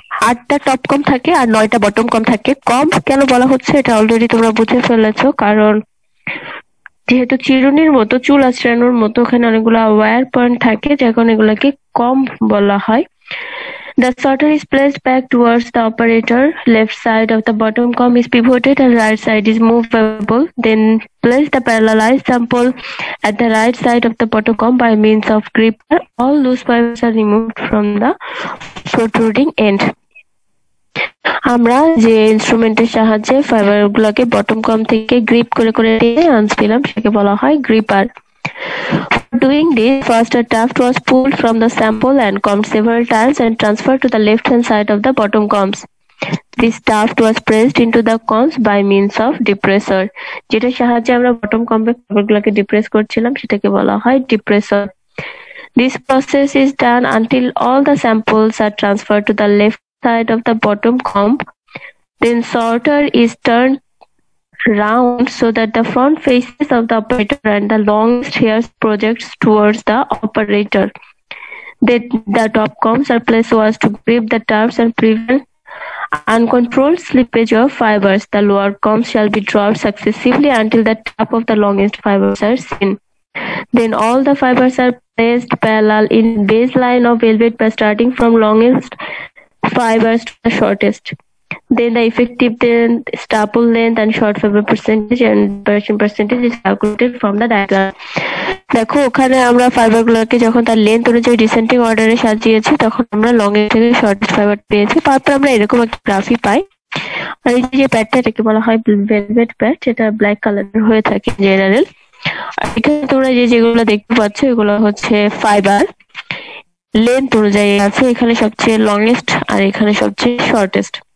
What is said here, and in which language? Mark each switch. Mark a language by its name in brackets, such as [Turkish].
[Bangla] 8টা top কম থাকে আর 9টা bottom কম থাকে comp কেন বলা হচ্ছে এটা অলরেডি তোমরা বুঝে ফেলেছো কারণ যেহেতু চিরুনির মতো চুল আঁচড়ানোর মতো ওখানে অনেকগুলো ওয়ার পয়েন্ট থাকে যখন এগুলোকে কম্প বলা হয় [English] The sorter is placed back towards the operator. Left side of the bottom comb is pivoted and right side is movable. Then place the parallelized sample at the right side of the bottom comb by means of gripper. All loose fibers are removed from the protruding end. [Bangla] আমরা যে ইনস্ট্রুমেন্টের সাহায্যে ফাইবারগুলোকে bottom কম থেকে grip করে করে দিয়ে আনস দিলাম সেটাকে বলা হয় gripper [English] Doing this, first a taft was pulled from the sample and combed several times and transferred to the left-hand side of the bottom combs. This taft was pressed into the combs by means of depressor. [Bangla] যেটা সাহায্যে আমরা bottom comb গুলোকে depress করছিলাম সেটাকে বলা হয় depressor. [English] This process is done until all the samples are transferred to the left side of the bottom comb. Then sorter is turned round so that the front faces of the operator and the longest hairs projects towards the operator. The top combs are placed so as to grip the tufts and prevent uncontrolled slippage of fibers. The lower combs shall be dropped successively until the top of the longest fibers are seen. Then all the fibers are placed parallel in baseline of velvet by starting from longest fibers to the shortest. Then the effective length, staple length and short fiber percentage and version percentage is calculated from the diagram. [Bangla] দেখো ওখানে আমরা fibre গুলোকে যখন তার length অনুযায়ী dissenting অর্ডারে সাজিয়েছি তখন আমরা লং এর থেকে শর্ট ফাইবার পেয়েছি তারপর আমরা এরকম একটা গ্রাফি পাই আর এই যে প্যাডটা এটাকে বলা হয় ভেলভেট প্যাড যেটা ব্ল্যাক কালারের হয়ে থাকে জেনারেল আর এখানে তোমরা যে যেগুলো দেখতে পাচ্ছ এগুলো হচ্ছে ফাইবার লেন্থ অনুযায়ী আছে এখানে সবচেয়ে লংয়েস্ট আর এখানে সবচেয়ে শর্টেস্ট